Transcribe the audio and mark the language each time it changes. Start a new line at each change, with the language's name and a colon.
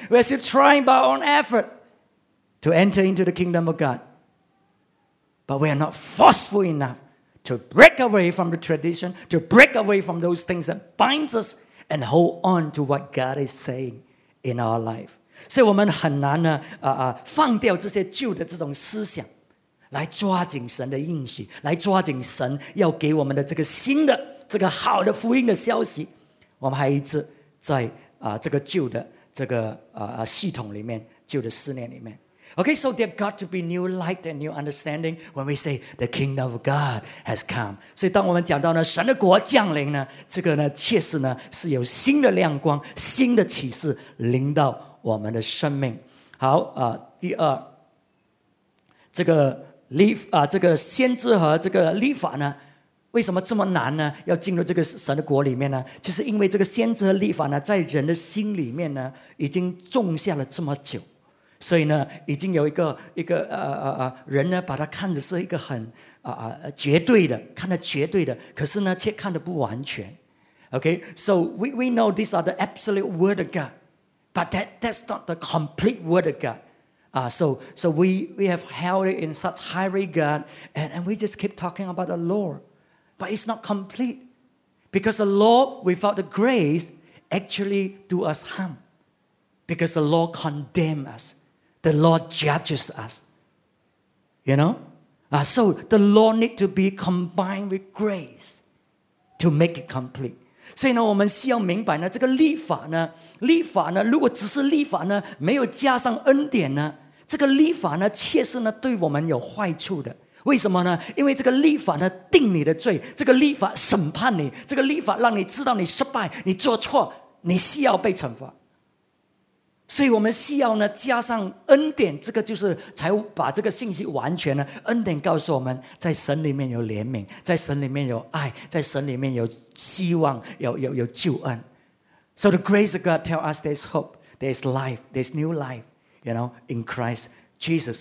English: We're still trying by our own effort to enter into the kingdom of God. But we are not forceful enough to break away from the tradition, to break away from those things that binds us and hold on to what God is saying in our life.
Chinese: 所以我们很难呢，放掉这些旧的这种思想，来抓紧神的应许，来抓紧神要给我们的这个新的、这个好的福音的消息。我们还一直在这个旧的这个系统里面、旧的思念里面。
English: Okay, so there got to be new light and new understanding when we say the kingdom of God has come.
Chinese: 所以当我们讲到呢，神的国降临呢，这个呢，确实呢是有新的亮光、新的启示临到。我们的生命好第二这个先知和这个律法呢为什么这么难呢要进入这个神的国里面呢就是因为这个先知和律法呢在人的心里面呢已经种下了这么久所以呢已经有一个人呢把它看着是一个很绝对的看得绝对的可是呢却看得不完全
English: Okay, so we know these are the absolute word of GodBut that's not the complete word of God. So we have held it in such high regard, and we just keep talking about the law. But it's not complete. Because the law without the grace actually do us harm. Because the law condemns us. The law judges us. You know? So the law needs to be combined with grace to make it complete.
Chinese: 所以呢，我们需要明白呢，这个律法呢，如果只是律法呢，没有加上恩典呢，这个律法呢，确实呢，对我们有坏处的。为什么呢？因为这个律法呢，定你的罪，这个律法审判你，这个律法让你知道你失败，你做错，你需要被惩罚。所以我们需要呢，加上恩典，这个就是才把这个信息完全呢。恩典告诉我们，在神里面有怜悯，在神里面有爱，在神里面有希望，有救恩。
English: So the grace of God tells us there's hope, there's life, there's new life, you know, in Christ Jesus.